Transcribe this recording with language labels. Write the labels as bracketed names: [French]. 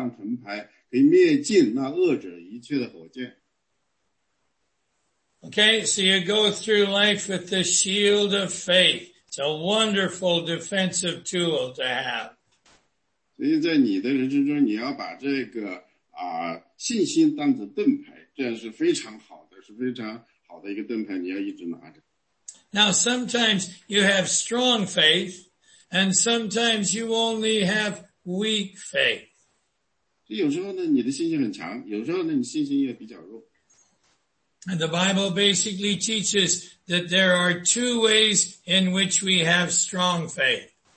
[Chinese] 所以呢,第十六节经说,此外要拿着信德当盾牌,可以灭尽那恶者一切的火箭。 [English] Okay, so you go through life with the shield of faith. It's a wonderful defensive tool to have. [Chinese] 所以在你的人生中,你要把这个信心当作盾牌,这是非常好的一个盾牌,你要一直拿着。 [English] Now, sometimes you have strong faith, and sometimes you only have weak faith. [Chinese] 有时候呢,你的信心很强,有时候呢,你信心也比较弱。 [English] And the Bible basically teaches that there are two ways in which we have strong faith.